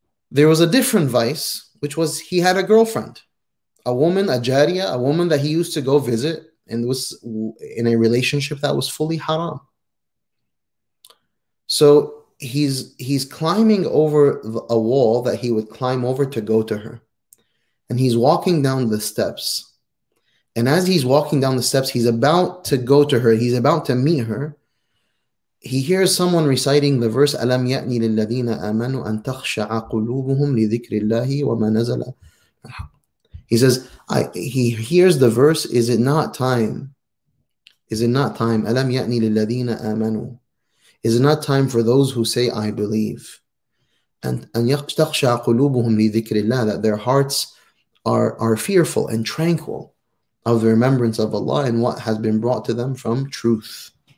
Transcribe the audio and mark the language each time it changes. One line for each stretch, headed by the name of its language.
English: There was a different vice, which was he had a girlfriend, a woman, a jariya, a woman that he used to go visit and was in a relationship that was fully haram. So he's climbing over a wall that he would climb over to go to her. And he's walking down the steps. And as he's walking down the steps, he's about to go to her. He's about to meet her. He hears someone reciting the verse,
Arabic: أَلَمْ يَأْنِ لِلَّذِينَ آمَنُوا أَن تَخْشَعَ قُلُوبُهُمْ لِذِكْرِ اللَّهِ وَمَا نَزَلَ.
English: He says, he hears the verse, is it not time? Is it not time?
Arabic: أَلَمْ يَأْنِ لِلَّذِينَ آمَنُوا.
English: Is it not time for those who say, I believe?
Arabic: أَن تَخْشَعَ قُلُوبُهُمْ لِذِكْرِ اللَّهِ.
English: That their hearts are fearful and tranquil of the remembrance of Allah and what has been brought to them from truth.